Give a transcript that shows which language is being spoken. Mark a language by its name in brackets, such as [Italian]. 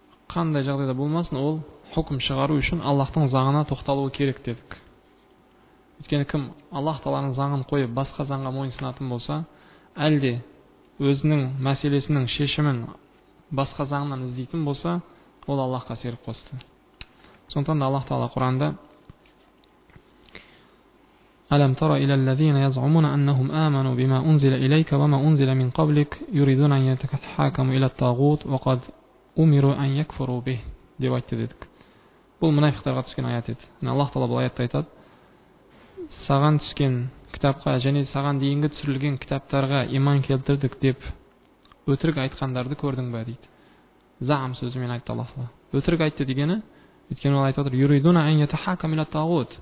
[Kazakh] Қандай жағдайда болмасын, ол хүкім шығару үшін Аллахтың заңына тоқталуы керек дедік. Өйткені кім Аллах тағаланың заңын қойып басқа заңға мойынсынатын болса, әлде өзінің мәселесінің шешімін басқа заңнан іздейтін болса, ол Аллахқа серік қосты. Сондықтан Аллах тағала Құранда [Arabic] أَلَمْ تَرَ إِلَى الَّذِينَ يَزْعُمُونَ أَنَّهُمْ آمَنُوا بِمَا أُنْزِلَ إِلَيْكَ وَمَا أُنْزِلَ مِنْ قَبْلِكَ يُرِيدُونَ أَنْ يَتَحَاكَمُوا إِلَى الطَّاغُوتِ وَقَدْ أُمِرُوا أَنْ يَكْفُرُوا بِهِ [Kazakh] деп айтты дедік. Бұл мұнафиқтарға түскен аят еді. Аллах тағала бұл аятта айтады: саған түскен кітапқа және саған дейінгі түсірілген кітаптарға иман келтірдік деп өтірік айтқандарды көрдің бе дейді. Зам сөзімен айтты Аллах тағала. Өтірік айтты дегені, өйткені ол айтып отыр: [Arabic] юридуна ан йатахакаму иля тагут.